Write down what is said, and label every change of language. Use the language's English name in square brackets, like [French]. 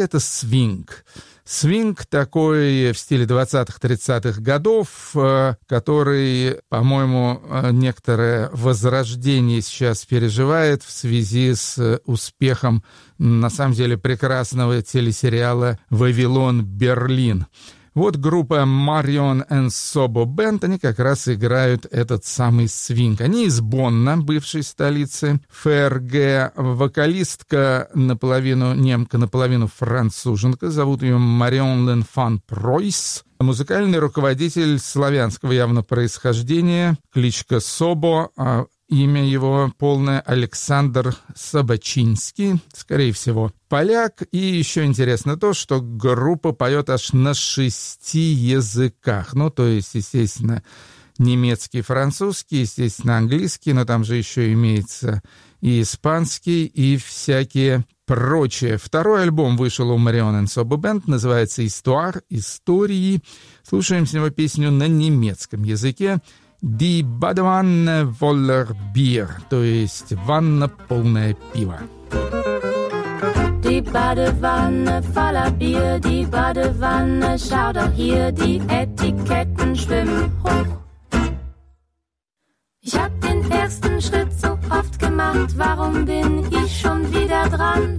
[Russian] Это «Свинг». Свинг такой в стиле 20-30-х годов, который, по-моему, некоторое возрождение сейчас переживает в связи с успехом, на самом деле, прекрасного телесериала «Вавилон Берлин». Вот группа Marion and Sobo Band, они как раз играют этот самый свинг. Они из Бонна, бывшей столицы ФРГ. Вокалистка наполовину немка, наполовину француженка. Зовут ее Marion L'Enfant Preuss. Музыкальный руководитель славянского явно происхождения, кличка Собо, а имя его полное Александр Собачинский, скорее всего, поляк. И еще интересно то, что группа поет аж на 6 языках. Ну, то есть, естественно, немецкий, французский, естественно, английский, но там же еще имеется и испанский, и всякие прочее. Второй альбом вышел у Marion and Sobe Band, называется «Histoire», «Истории». Слушаем с него песню на немецком языке [German] «Die Badewanne voller Bier», [Russian] то есть «Ванна полная пива». [German] Die Badewanne voller Bier, die Badewanne, schau doch hier, die Etiketten schwimmen hoch. Ich hab den ersten Schritt so oft gemacht, warum bin ich schon wieder dran?